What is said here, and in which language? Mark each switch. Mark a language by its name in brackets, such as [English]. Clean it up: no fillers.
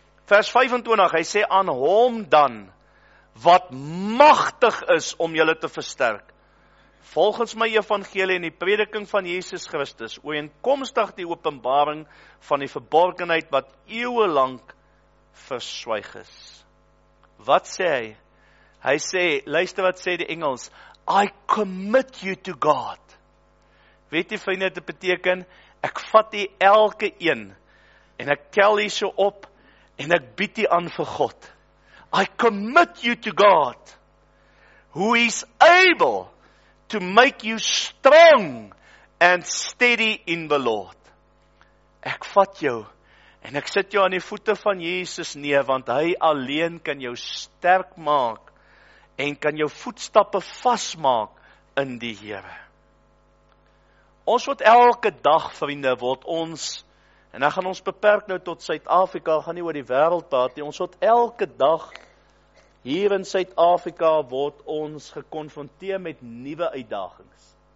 [Afrikaans] Vers 25, hy sê, aan hom dan, wat magtig is om julle te versterk, volgens my evangelie en die prediking van Jesus Christus, ooreenkomstig die openbaring van die verborgenheid wat eeuwe lang verswyg is. Wat sê hy? Hy sê, luister wat sê die Engels, [English] I commit you to God. [Afrikaans] Weet jy vriende, dit beteken, ek vat die elke een, en ek tel die so op, en ek bied die aan vir God. [English] I commit you to God, who is able to make you strong and steady in the Lord. [Afrikaans] Ek vat jou, en ek sit jou aan die voete van Jesus neer, want hy alleen kan jou sterk maak, en kan jou voetstappe vasmaak in die Here. Ons word elke dag, vriende, word ons, en dan gaan ons beperk nou tot Suid-Afrika, gaan nie oor die wêreld praat nie, ons word elke dag, hier in Suid-Afrika, word ons gekonfronteer met nuwe uitdagings.